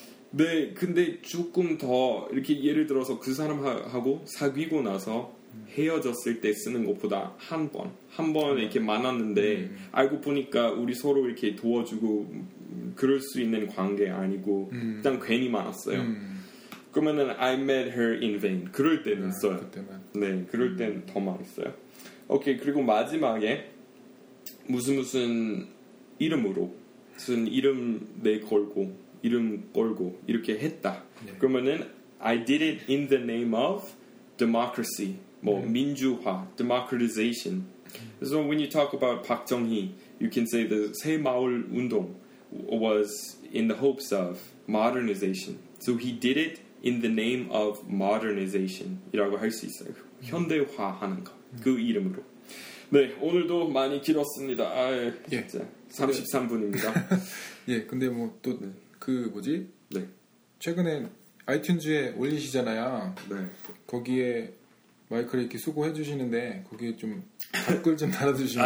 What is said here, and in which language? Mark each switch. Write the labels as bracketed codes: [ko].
[ko] 네, 근데 조금 더 이렇게 예를 들어서 그 사람하고 사귀고 나서 헤어졌을 때 쓰는 것보다 한 번 이렇게 만났는데 알고 보니까 우리 서로 이렇게 도와주고 그럴 수 있는 관계 아니고 일단 괜히 만났어요. 그러면은 [en] I met her in vain. [ko] 그럴 때는 써요. 네, 그럴 때는 더 많이 써요. 오케이, 그리고 마지막에 무슨 이름으로 무슨 이름 내걸고 이름 걸고 이렇게 했다. 네. 그러면은 [en] I did it in the name of democracy. [ko] 뭐 네. 민주화, democratization. [en] So when you talk about 박정희, you can say the 새마을 운동 was in the hopes of modernization. So he did it in the name of modernization. [ko] 이라고 할 수 있어요. 현대화하는 거. 그 이름으로. 네, 오늘도 많이 길었습니다. 아, 예. 진짜 33분입니다. 예, 근데 뭐 또 네. 그 뭐지? 네. 최근에 아이튠즈에 올리시잖아요. 네. 거기에 마이클이 이렇게 수고해 주시는데 거기에 좀 댓글 좀 달아주시면